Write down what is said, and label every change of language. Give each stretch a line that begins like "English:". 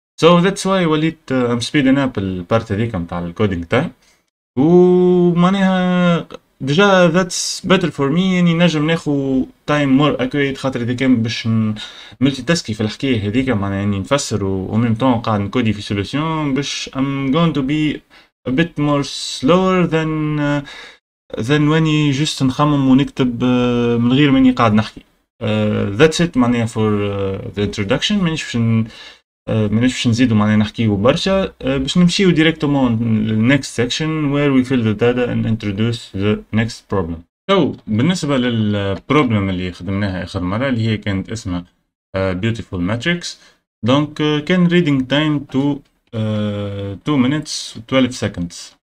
English: So that's why
Arabic: وليت
English: I'm speeding up
Arabic: البارت هذيك متاع الكودينغ تايم، ومعناها ديجا
English: that's better for me،
Arabic: يعني نجم ناخو تايم مور اكويت، خاطر اذا كان باش ملتي تاسكي في الحكايه هذيك معناها اني يعني نفسر وميم طون قاعد نكودي في سوليسيون، باش
English: I'm going to be a bit more slower than when you just
Arabic: نخمم ونكتب من غير ماني قاعد نحكي.
English: That's it
Arabic: معناها
English: for the introduction.
Arabic: مانيش باش نزيدو معناها نحكيو برشا، باش نمشيو ديريكتومون
English: للنكست section where we fill the data and introduce the next problem.
Arabic: سو بالنسبه للبروبلم اللي خدمناها اخر مره اللي هي كانت اسمها بيوتيفول ماتريكس، دونك كان ريدينغ تايم تو 2 مينيتس 12 سكندز.